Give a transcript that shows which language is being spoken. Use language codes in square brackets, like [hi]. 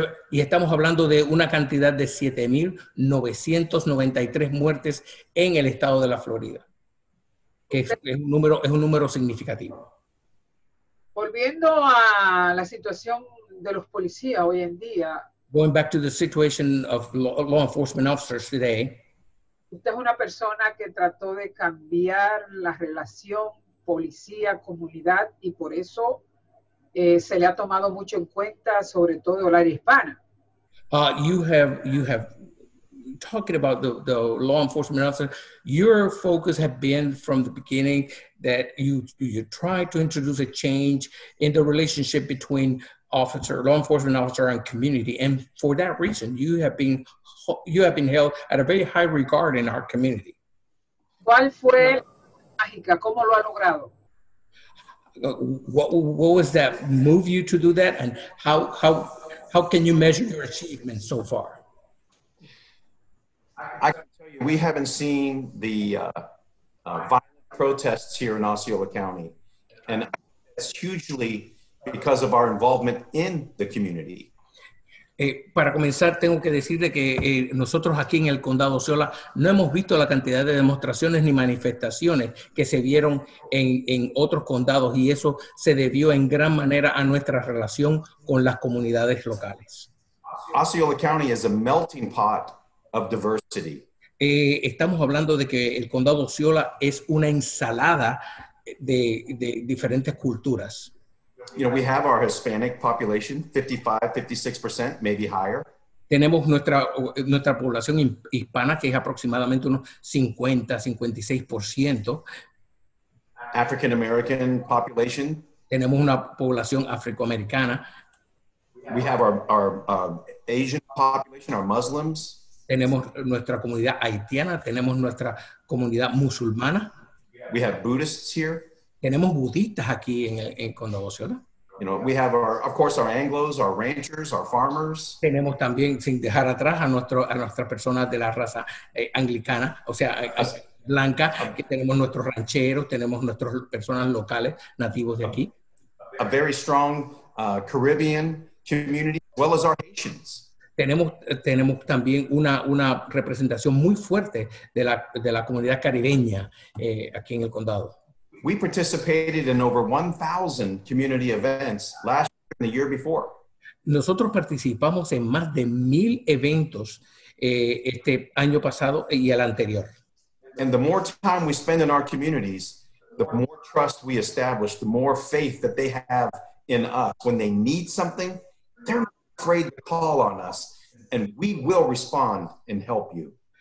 [es] Y estamos hablando de una cantidad de 7,993 muertes en el estado de la Florida, que es un número significativo. Volviendo a la situación de los policías hoy en día. [en] Going back to the situation of law enforcement officers today. [es] Usted es una persona que trató de cambiar la relación policía, comunidad, y por eso se le ha tomado mucho en cuenta, sobre todo el área hispana. [en] You have talking about the law enforcement officer, your focus has been from the beginning that you try to introduce a change in the relationship between officer, law enforcement officer, and community. And for that reason, you have been held at a very high regard in our community. [es] ¿Cuál fue mágica? ¿Cómo lo ha logrado? [en] What was that move you to do that, and how can you measure your achievement so far? I can tell you, we haven't seen the violent protests here in Osceola County, and that's hugely because of our involvement in the community. [es] Para comenzar, tengo que decirle que nosotros aquí en el condado Osceola no hemos visto la cantidad de demostraciones ni manifestaciones que se vieron en otros condados, y eso se debió en gran manera a nuestra relación con las comunidades locales. [en] Osceola County is a melting pot of diversity. [es] Estamos hablando de que el condado Osceola es una ensalada de diferentes culturas. [en] You know, we have our Hispanic population, 55-56%, maybe higher. [es] Tenemos nuestra población hispana, que es aproximadamente unos 50-56%. [en] African American population. [es] Tenemos una población afroamericana. [en] We have our Asian population, our Muslims. [es] Tenemos nuestra comunidad haitiana, tenemos nuestra comunidad musulmana. [en] We have Buddhists here. [es] Tenemos budistas aquí en condado, ¿no? [en] You know, we have our Anglos, our ranchers, our farmers. [es] Tenemos también, sin dejar atrás, a nuestras personas de la raza anglicana, o sea, Blanca, que tenemos nuestros rancheros, tenemos nuestras personas locales, nativos de aquí. [en] A very strong Caribbean community, as well as our Haitians. [es] Tenemos también una representación muy fuerte de la comunidad caribeña aquí en el condado. [en] We participated in over 1,000 community events last year and the year before. [es] Nosotros participamos en más de 1,000 eventos este año pasado y el anterior. [en] And the more time we spend in our communities, the more trust we establish, the more faith that they have in us. When they need something, they're not afraid to call on us, and we will respond and help you.